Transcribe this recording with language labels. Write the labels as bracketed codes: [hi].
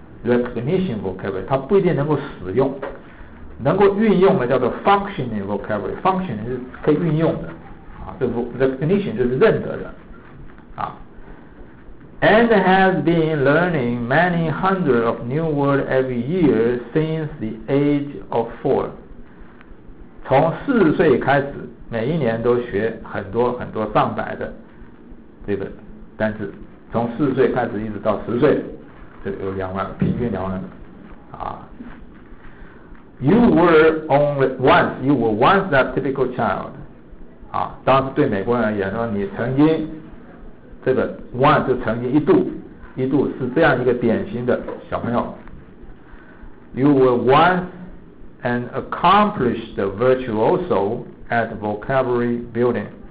[zh] Recognition vocabulary， 他不一定能够使用，能够运用的叫做 functioning vocabulary， functioning 是可以运用的啊，这 recognition 就是认得的啊。 [en] And has been learning many hundreds of new words every year since the age of four. [zh] 从四岁开始，每一年都学很多很多上百的这个单词，从四岁开始一直到十岁，这有两万，平均两万啊。 [en] You were only once, you were once that typical child. [zh] 啊，当时对美国人而言说，你曾经。这个 one 就曾经一度是这样一个典型的小朋友。 [en] You were once an accomplished virtuoso at vocabulary building.